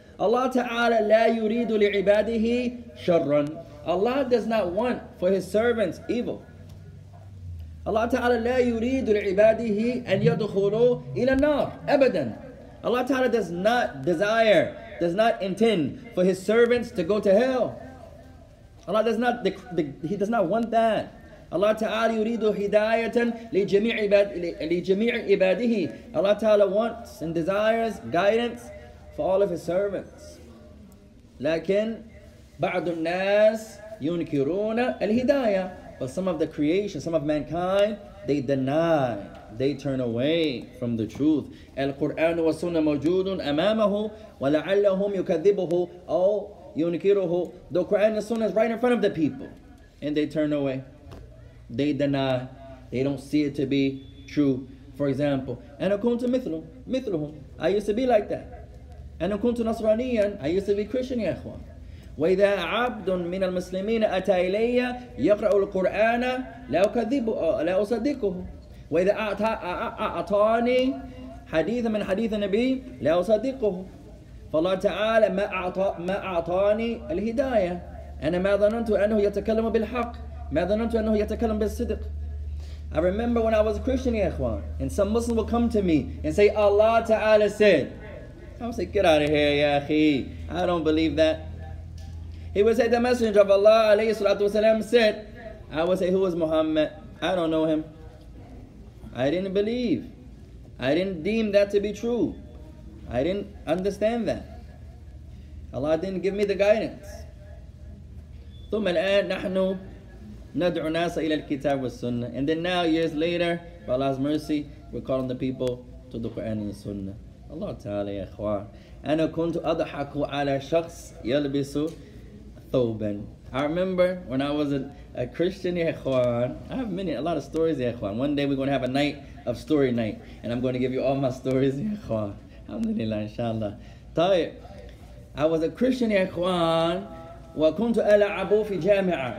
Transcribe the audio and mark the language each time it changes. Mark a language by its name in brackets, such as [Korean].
[Arabic] Allah Ta'ala لا يريد لعباده شرًا. [English] Allah does not want for His servants evil. [Arabic] Allah Ta'ala لا يريد لعباده أن يدخلوا إلى النار أبدا. [English] Allah Ta'ala does not desire, does not intend for His servants to go to hell. Allah does not, He does not want that. [Arabic] Allah Ta'ala يريد هداية لجميع عباده. [English] Allah Ta'ala wants and desires guidance for all of His servants. [Arabic] لكن بعض الناس ينكرون الهداية. [English] But some of the creation, some of mankind, they deny, they turn away from the truth. [Arabic] القرآن والسنة موجود أمامه ولعلهم يكذبه أو ينكره. [English] The Quran and Sunnah is right in front of the people, and they turn away, they deny, they don't see it to be true. For example, [Arabic] أنا كنت مثلهم. [English] I used to be like that. [Arabic] أنا كنت نصرانيا. [English] I used to be Christian, [Arabic] يا إخوان. وإذا عبد من المسلمين أتى إلي يقرأ القرآن لا أصدقه وإذا أعطاني حديثا من حديث النبي لا أصدقه فالله تعالى ما أعطاني الهداية. أنا ما ظننت أنه يتكلم بالحق ما ظننت أنه يتكلم بالصدق. [English] I remember when I was a Christian, [Arabic] يا إخوان, [English] and some Muslim would come to me and say Allah Ta'ala said. I would say, get out of here, [Arabic] يا أخي, [English] I don't believe that. He would say, the Messenger of Allah alayhi salatu wasalam said. I would say, who is Muhammad? I don't know him. I didn't believe. I didn't deem that to be true. I didn't understand that. Allah didn't give me the guidance. [Arabic] ثم الآن نحن ندعو ناس إلى الكتاب والسنة. [English] And then now, years later, by Allah's mercy, we're calling the people to the Quran and the Sunnah. Allah Ta'ala, ya khwar. [Arabic] أنا كنت أضحك على شخص يلبس ثوبًا. [English] I remember when I was a Christian, ya khwar. I have many, a lot of stories, ya khwar. One day we're going to have a night of story night, and I'm going to give you all my stories, ya khwar. Alhamdulillah, inshallah. طيب. I was a Christian, ya khwan. [Arabic] وكنت ألعب في جامعة.